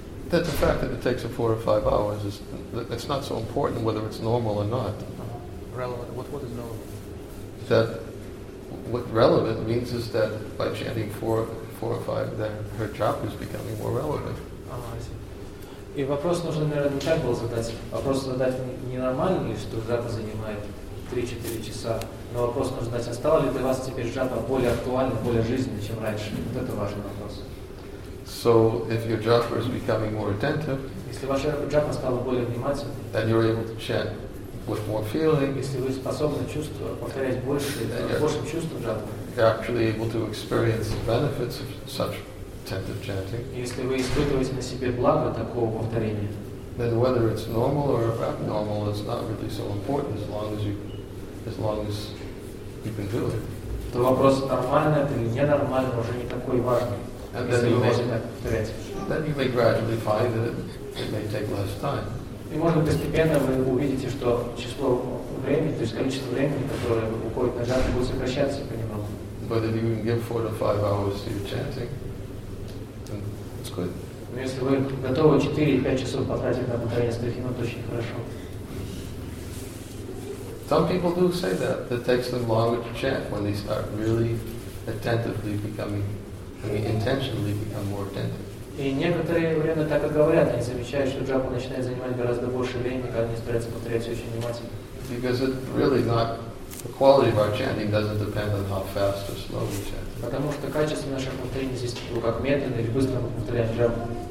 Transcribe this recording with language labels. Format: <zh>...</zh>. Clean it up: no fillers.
<en>That the fact that it takes 4 or 5 hours, is it's not so important whether it's normal or not. Relevant, what is normal? That what relevant means is that by chanting four or five, then her job is becoming more relevant. I see.</en> <ru>И вопрос нужно, наверное, не так было задать. Вопрос задать ненормальный, что джапа занимает 3-4 часа. Но вопрос нужно задать, а стало ли для вас теперь джапа более актуальной, более жизненной, чем раньше? Вот это важный вопрос.</ru> <en>So, if your japa is becoming more attentive,</en> <ru>если ваша джапа стала более внимательной,</ru> <en>then you're able to chant with more feeling,</en> <ru>если вы способны чувствовать, повторять больше, большим чувством джапы,</ru> <en>you're actually able to experience the benefits of such attentive chanting,</en> <ru>если вы испытываете на себе благо такого повторения,</ru> <en>then whether it's normal or abnormal is not really so important as long as you can do it.</en> <ru>То вопрос, нормально это или ненормально, уже не такой важный.</ru> <en>And then you may gradually find that it may take less time.</en> <ru>И можно постепенно вы увидите, что число времени, то есть количество времени, которое уходит на джапу, будет сокращаться понемногу.</ru> <en>But if you can give 4 to 5 hours to your chanting, then it's good.</en> <ru>Но если вы готовы 4-5 часов потратить на повторение стихов, это очень хорошо.</ru> <en>Some people do say that. It takes them longer to chant when they start really attentively becoming, I mean, intentionally become more attentive.</en> <ru>И некоторые время так и говорят, они замечают, что джапа начинает занимать гораздо больше времени, когда они стараются повторять очень внимательно.</ru> <en>Because it's really not The quality of our chanting doesn't depend on how fast or slow we chant.</en> <ru>Потому что качество наших повторений зависит от того, как медленно или быстро мы повторяем джапу.</ru>